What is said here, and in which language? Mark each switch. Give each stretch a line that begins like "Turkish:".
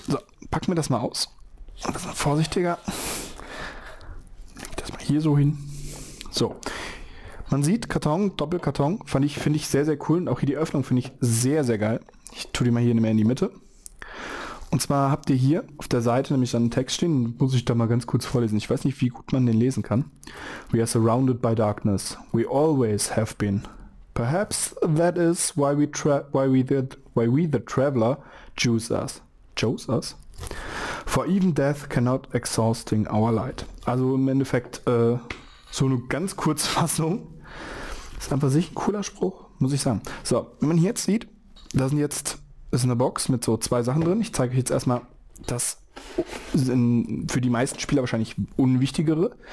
German: So, packen wir das mal aus, ein bisschen vorsichtiger, leg das mal hier so hin, so. Man sieht Karton, Doppelkarton, finde ich sehr, sehr cool. Und auch hier die Öffnung finde ich sehr, sehr geil. Ich tue die mal hier in die Mitte. Und zwar habt ihr hier auf der Seite nämlich einen Text stehen. Muss ich da mal ganz kurz vorlesen. Ich weiß nicht, wie gut man den lesen kann.
English: We are surrounded by darkness. We always have been. Perhaps that is why we the traveler choose us. Chose us? For even death cannot exhausting our light.
German: Also im Endeffekt, so eine ganz kurze Fassung. Ist einfach sich ein cooler Spruch, muss ich sagen. So, wenn man hier jetzt sieht, da sind jetzt, ist eine Box mit so zwei Sachen drin. Ich zeige euch jetzt erstmal das für die meisten Spieler wahrscheinlich unwichtigere.